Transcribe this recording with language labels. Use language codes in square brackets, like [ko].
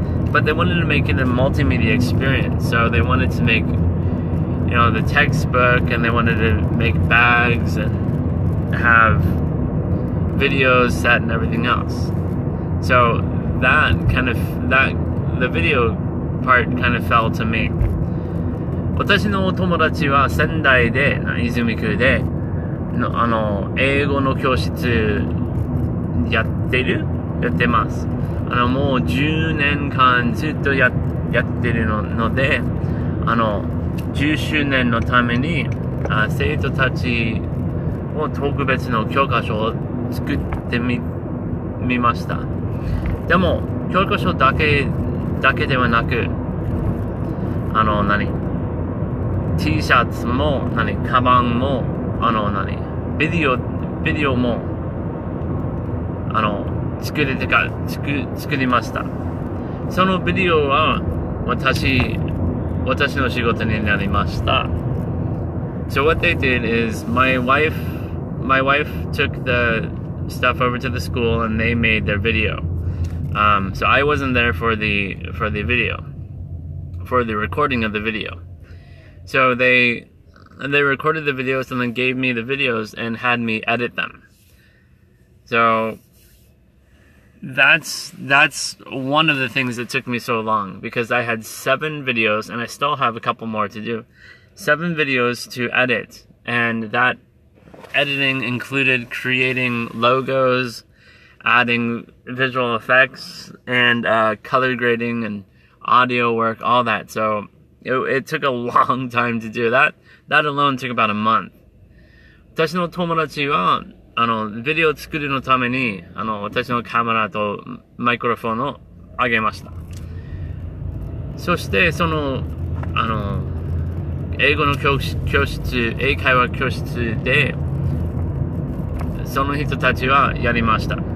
[en] But they wanted to make it a multimedia experience. So they wanted to make, the textbook, and they wanted to make bags and have videos set and everything else. So that kind of, the video part kind of fell to me. [ja] 私のお友達は仙台で、泉区で、のあの英語の教室やってる、やってます。あのもう10年間ずっと やってる ので、あの10周年のために、あ、生徒たちを特別の教科書を作ってみました。でも教科書だけではなく、あの何 T シャツも何カバンも、あの何ビデオもあの作りました。そのビデオは私の仕事になりました。 [en] So what they did is my wife took the stuff over to the school and they made their video. So I wasn't there for the recording of the video. So they recorded the videos and then gave me the videos and had me edit them. So that's one of the things that took me so long, because I had 7 videos and I still have a couple more to do. 7 videos to edit, and that editing included creating logos, adding visual effects, and color grading and audio work, all that. So it took a long time to do that. That alone took about a month. [ja] 私の友達はあのビデオ作りのためにあの私のカメラとマイクロフォンをあげました。そしてそのあの英語の教室、英会話教室で、その人たちはやりました。